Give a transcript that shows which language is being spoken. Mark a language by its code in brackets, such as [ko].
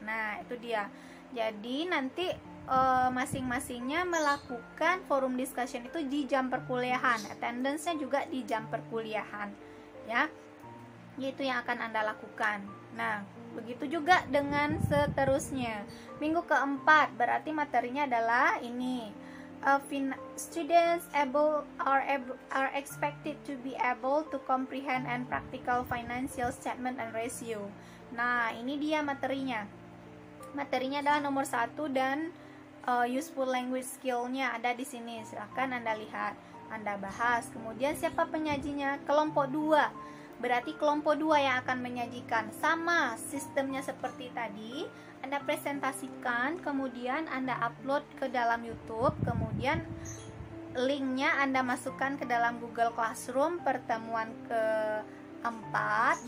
[id] Nah, itu dia. Jadi nanti masing-masingnya melakukan forum discussion itu di jam perkuliahan. Attendance-nya juga di jam perkuliahan. Ya. Itu yang akan Anda lakukan. Nah, begitu juga dengan seterusnya. Minggu keempat berarti materinya adalah ini. [en] Students are expected to be able to comprehend and practical financial statement and ratio. [id] Nah, ini dia materinya. Materinya adalah nomor 1 dan useful language skill-nya ada di sini. Silakan Anda lihat, Anda bahas. Kemudian siapa penyajinya? Kelompok 2. Berarti kelompok 2 yang akan menyajikan. Sama sistemnya seperti tadi. Anda presentasikan, kemudian Anda upload ke dalam YouTube, kemudian link-nya Anda masukkan ke dalam Google Classroom pertemuan ke-4.